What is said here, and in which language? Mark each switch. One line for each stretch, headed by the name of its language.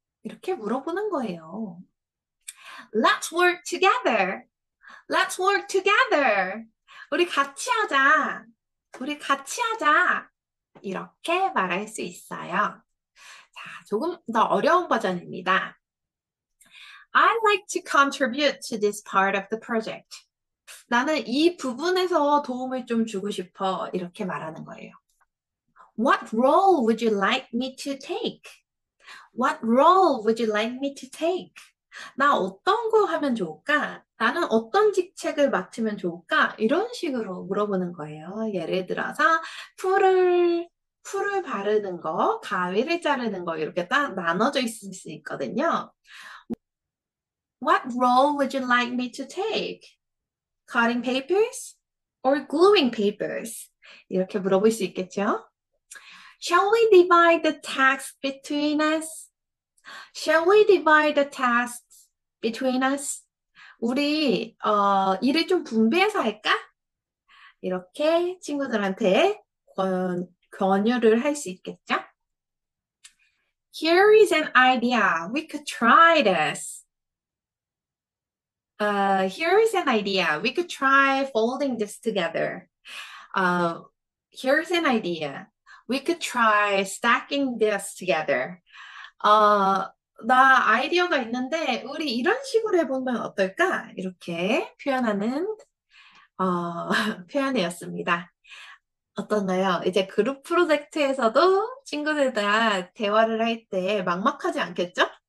Korean: 이렇게 물어보는 거예요.
English: Let's work together. Let's work together.
Korean: 우리 같이 하자. 우리 같이 하자. 이렇게 말할 수 있어요. 자, 조금 더 어려운 버전입니다.
English: I'd like to contribute to this part of the project.
Korean: 나는 이 부분에서 도움을 좀 주고 싶어. 이렇게 말하는 거예요.
English: What role would you like me to take? What role would you like me to take?
Korean: 나 어떤 거 하면 좋을까? 나는 어떤 직책을 맡으면 좋을까? 이런 식으로 물어보는 거예요. 예를 들어서 풀을 바르는 거, 가위를 자르는 거 이렇게 딱 나눠져 있을 수 있거든요.
English: What role would you like me to take? Cutting papers or gluing papers?
Korean: 이렇게 물어볼 수 있겠죠?
English: Shall we divide the tasks between us? Shall we divide the tasks between us?
Korean: 우리 일을 좀 분배해서 할까? 이렇게 친구들한테 권유를 할수 있겠죠?
English: Here is an idea. We could try this. Here is an idea. We could try folding this together. Here is an idea. We could try stacking this together.
Korean: 나 아이디어가 있는데 우리 이런 식으로 해보면 어떨까? 이렇게 표현하는 표현이었습니다. 어떤가요? 이제 그룹 프로젝트에서도 친구들과 대화를 할때 막막하지 않겠죠?